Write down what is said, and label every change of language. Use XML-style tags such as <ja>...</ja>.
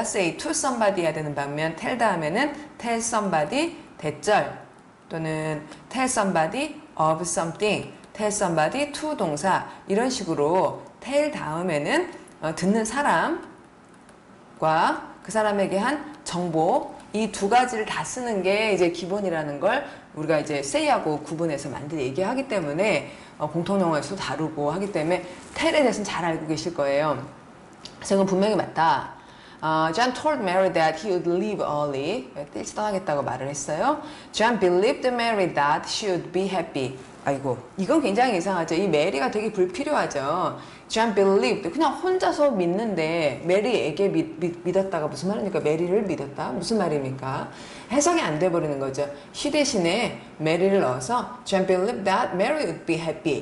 <ko>say to somebody 해야 되는 반면, tell 다음에는 tell somebody 대절 또는 tell somebody of something, tell somebody to 동사 이런 식으로 tell 다음에는 듣는 사람과 그 사람에게 한 정보, 이두 가지를 다 쓰는 게 이제 기본이라는 걸 우리가 이제 say하고 구분해서 만들 얘기하기 때문에 공통용어에서도 다루고 하기 때문에 tell에 대해서는 잘 알고 계실 거예요. 그래서 이건 분명히 맞다.</ko> <en>John told Mary that he would leave early.</en> <ko>일찍 떠나겠다고 말을 했어요.</ko> <en>John believed Mary that she would be happy.</en> <ko>아이고, 이건 굉장히 이상하죠. 이 메리가 되게 불필요하죠.</ko> <en>John believed.</en> <ko>그냥 혼자서 믿는데, 메리에게 믿었다가 무슨 말입니까? 메리를 믿었다? 무슨 말입니까? 해석이 안 돼버리는 거죠.</ko> <en>He</en> <ko>대신에 메리를 넣어서</ko> <en>John believed that Mary would be happy.</en>